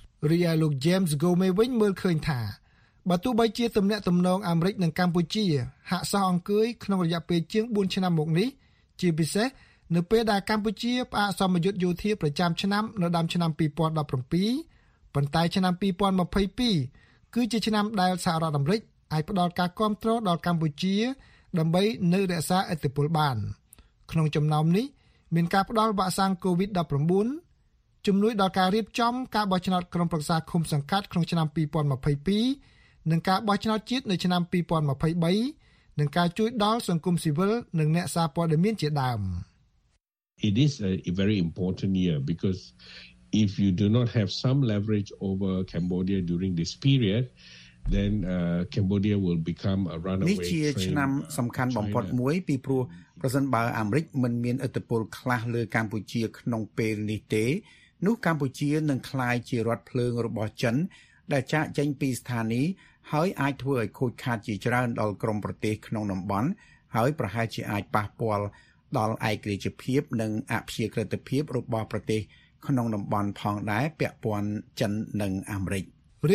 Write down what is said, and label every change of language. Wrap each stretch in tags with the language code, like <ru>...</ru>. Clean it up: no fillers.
<km>រីឯលោក James Gomez វិញមើលឃើញថាបើទោះបីជាទំនាក់ទំនងអាមេរិកនិងកម្ពុជាហាក់សោះអង្គើយក្នុងរយៈពេលជាង4ឆ្នាំមកនេះជាពិសេសនៅពេលដែលកម្ពុជាផ្អាកសមយុទ្ធយោធាប្រចាំឆ្នាំនៅដើមឆ្នាំ2017ប៉ុន្តែឆ្នាំ2022គឺជាឆ្នាំដែលសហរដ្ឋអាមេរិកអាចផ្ដល់ការគាំទ្រដល់កម្ពុជាដើម្បីនៅរក្សាឥទ្ធិពលបានក្នុងចំណោមនេះមានការផ្ដល់វ៉ាក់សាំង COVID-19 ជំនួយដល់ការរៀបចំការបោះឆ្នោតក្រុមប្រឹក្សាឃុំសង្កាត់ក្នុងឆ្នាំ2022និងការបោះឆ្នោតជាតិនៅឆ្នាំ2023នឹងការជួយដល់សង្គមស៊ីវិលនិងអ្នកសារព័ត៌មានជាដើម</km> <en>It is a very important year because if you do not have some leverage over Cambodia during this period then Cambodia will become a runaway</en> <km>នេះជាឆ្នាំសំខាន់បំផុតមួយពីព្រោះប្រសិនបើអាមេរិកមិនមានឥទ្ធិពលខ្លះលើកម្ពុជាក្នុងពេលនេះទេនោះកម្ពុជានឹងក្លាយជារដ្ឋភ្លើងរបស់ចិនដែលចាក់ចេញពីស្ថានីយ៍ហើយអាចធ្វើឲ្យខូចខាតជាច្រើនដល់ក្រុមប្រទេសក្នុងតំបន់ហើយប្រហែលជាអាចប៉ះពាល់ដល់ឯករាជ្យភាពនិងអព្យាក្រឹតភាពរបស់ប្រទេសក្នុងតំបន់ផងដែរពាក់ព័ន្ធចិននិងអាមេរិករ</km>